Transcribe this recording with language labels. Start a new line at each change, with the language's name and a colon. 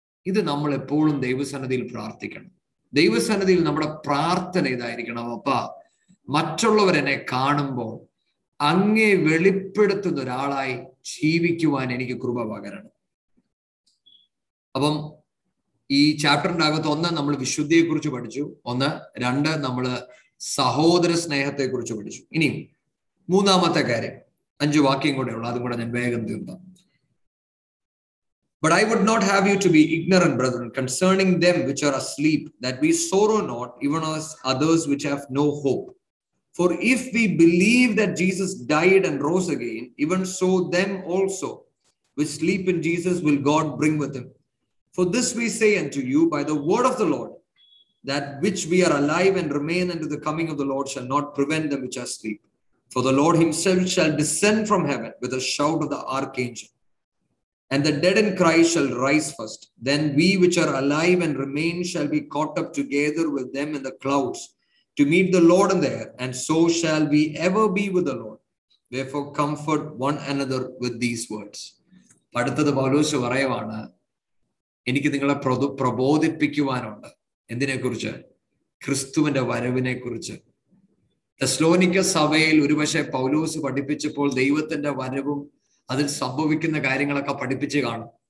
Malayalam: ഇത് നമ്മൾ എപ്പോഴും ദൈവസന്നിധിയിൽ പ്രാർത്ഥിക്കണം. ദൈവസന്നിധിയിൽ നമ്മുടെ പ്രാർത്ഥന ഇതായിരിക്കണം: അപ്പ, മറ്റുള്ളവരെന്നെ കാണുമ്പോൾ അങ്ങേ വെളിപ്പെടുത്തുന്ന ഒരാളായി ജീവിക്കുവാൻ എനിക്ക് കൃപ പകരണം. അപ്പം ഈ ചാപ്റ്ററിന്റെ അകത്ത് ഒന്ന്, നമ്മൾ വിശുദ്ധിയെ കുറിച്ച് പഠിച്ചു. ഒന്ന്, രണ്ട്, നമ്മള് സഹോദര സ്നേഹത്തെ കുറിച്ച് പഠിച്ചു. ഇനി 3-ാമത്തെ കാര്യം, അഞ്ചു വാക്യം കൂടെ ഉള്ളൂ, അതും കൂടെ ഞാൻ വേഗം തീർക്കാം.
English: But I would not have you to be ignorant, brethren, concerning them which are asleep, that we sorrow not, even as others which have no hope. For if we believe that Jesus died and rose again, even so them also which sleep in Jesus will God bring with him. For this we say unto you by the word of the Lord, that which we are alive and remain unto the coming of the Lord shall not prevent them which are asleep. For the Lord himself shall descend from heaven with a shout of the archangel, and the dead in Christ shall rise first. Then we which are alive and remain shall be caught up together with them in the clouds to meet the Lord in the air, and so shall we ever be with the Lord. Therefore comfort one another with these words.
Malayalam: അടുത്തത് പൗലോസ് പറയുവാണ്, എനിക്ക് നിങ്ങളെ പ്രബോധിപ്പിക്കുവാനുണ്ട്. എന്തിനെ കുറിച്ച്? ക്രിസ്തുവിന്റെ വരവിനെ കുറിച്ച്. തെസ്ലോനിക്ക സഭയിൽ ഒരുപക്ഷെ പൗലോസ് പഠിപ്പിച്ചപ്പോൾ ദൈവത്തിന്റെ വരവും അതിൽ സംഭവിക്കുന്ന കാര്യങ്ങളൊക്കെ പഠിപ്പിച്ച് കാണും.